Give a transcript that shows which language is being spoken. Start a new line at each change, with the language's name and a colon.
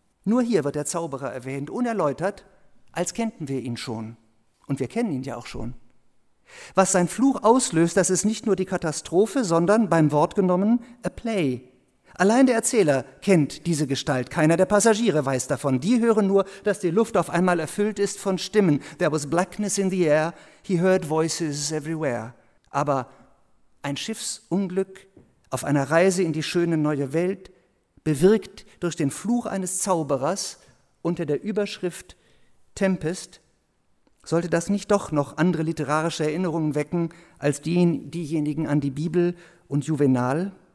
German: Nur hier wird der Zauberer erwähnt, unerläutert, als kennten wir ihn schon. Und wir kennen ihn ja auch schon. Was sein Fluch auslöst, das ist nicht nur die Katastrophe, sondern beim Wort genommen a play. Allein der Erzähler kennt diese Gestalt, keiner der Passagiere weiß davon. Die hören nur, dass die Luft auf einmal erfüllt ist von Stimmen.
English: There was blackness in the air, he heard voices everywhere.
German: Aber ein Schiffsunglück auf einer Reise in die schöne neue Welt, bewirkt durch den Fluch eines Zauberers unter der Überschrift Tempest, sollte das nicht doch noch andere literarische Erinnerungen wecken als diejenigen an die Bibel und Juvenal?